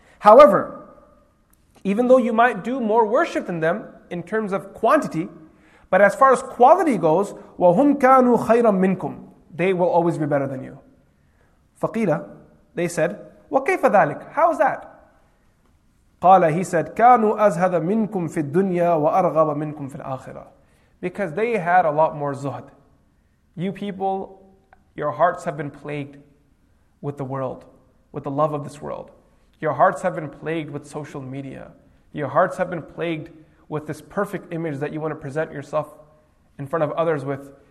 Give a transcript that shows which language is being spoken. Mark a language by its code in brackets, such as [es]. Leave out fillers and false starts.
[en] However, even though you might do more worship than them in terms of quantity, but as far as quality goes, [ar] وَهُمْ كَانُوا خَيْرًا مِنْكُمْ [en] They will always be better than you. [ar] فَقِيلَ [en] They said, [ar] وَكَيْفَ ذَلِكَ [en] How is that? [ar] قَالَ [en] He said, [ar] كَانُوا أَزْهَدَ مِنْكُمْ فِي الدُّنْيَا وَأَرْغَبَ مِنْكُمْ فِي الْآخِرَةِ [en] Because they had a lot more zuhd. You people, your hearts have been plagued with the world, with the love of this world. Your hearts have been plagued with social media. Your hearts have been plagued with this perfect image that you want to present yourself in front of others with.